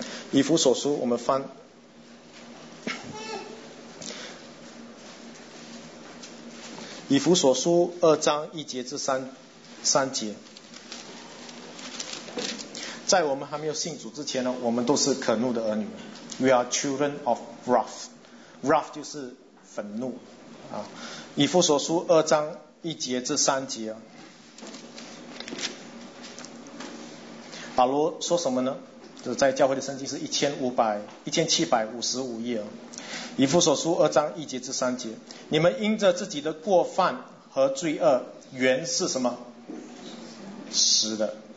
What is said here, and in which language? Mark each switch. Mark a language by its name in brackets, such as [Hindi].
[Chinese] 以弗所书，我们翻以弗所书二章一节至三节。在我们还没有信主之前呢，我们都是可怒的儿女。 [English] We are children of wrath. [Chinese] Wrath 就是愤怒啊。以弗所书二章一节至三节，保罗说什么呢？就在教会的圣经是1755页。以弗所书二章一节至三节，你们因着自己的过犯和罪恶，原是什么？死的。